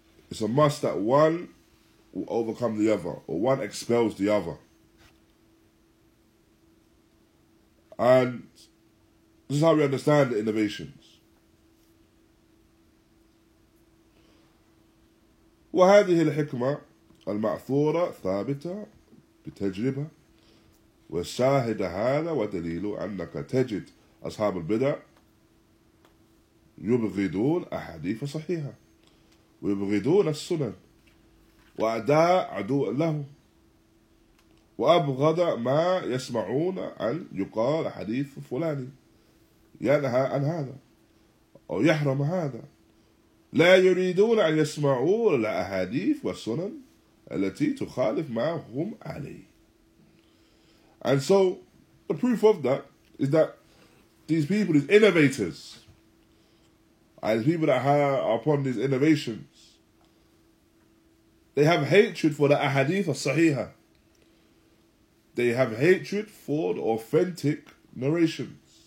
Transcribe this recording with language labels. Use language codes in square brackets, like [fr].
[en] It's a must that one will overcome the other, or one expels the other. And this is how we understand the innovations. [ar] وَهَذِهِ الْحِكْمَةِ المعثورة ثابتة بتجربة والشاهد هذا ودليله أنك تجد أصحاب البدع يبغضون أحاديث صحيحة ويبغضون السنن وأداء عدو له وأبغض ما يسمعون أن يقال حديث فلاني ينهى عن هذا أو يحرم هذا لا يريدون أن يسمعوا الأحاديث والسنن التي تخالف ما هم عليه. [en] And so, the proof of that is that these people, these innovators, and these people that are upon these innovations, they have hatred for the ahadith as-sahiha. They have hatred for the authentic narrations.